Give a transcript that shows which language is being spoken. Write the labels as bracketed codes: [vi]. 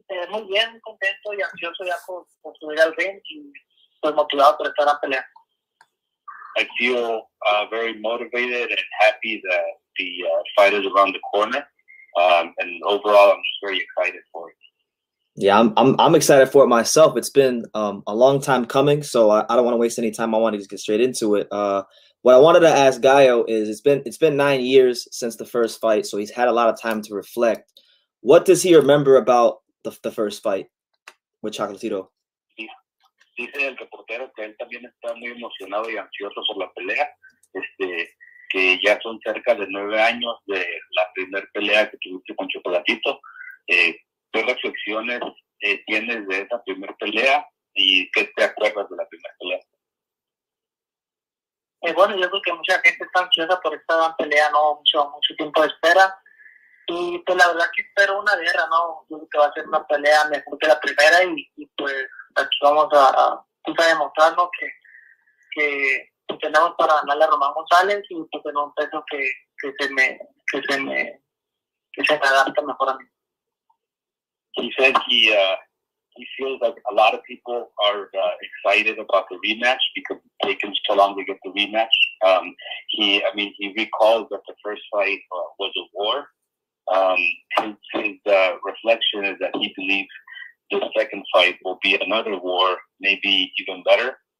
[es] Muy bien, contento y ansioso ya con todos los días bien, y estoy motivado por estar a pelear. [en] I feel very motivated and happy that the fight is around the corner. And overall, I'm just very excited for it. Yeah, I'm excited for it myself. It's been a long time coming, so I don't want to waste any time. I want to just get straight into it. What I wanted to ask Gallo is, it's been 9 years since the first fight, so he's had a lot of time to reflect. What does he remember about the first fight with Chocolatito? [es] Dice el reportero que él también está muy emocionado y ansioso por la pelea. Que ya son cerca de 9 años de la primera pelea que tuviste con Chocolatito. ¿Qué reflexiones tienes de esa primera pelea y qué te acuerdas de la primera pelea? Bueno, yo creo que mucha gente está ansiosa por esta gran pelea, ¿no? Mucho tiempo de espera. Y pues la verdad que espero una guerra, ¿no? Yo creo que va a ser una pelea mejor que la primera y pues aquí vamos a demostrar, ¿no? Que tenemos para ganarle a Román González y pues en un peso que se adapta mejor a mí. [en] He said he feels like a lot of people are excited about the rematch because it's taken so long to get the rematch. He recalls that the first fight was a war. His reflection is that he believes the second fight will be another war, maybe even better.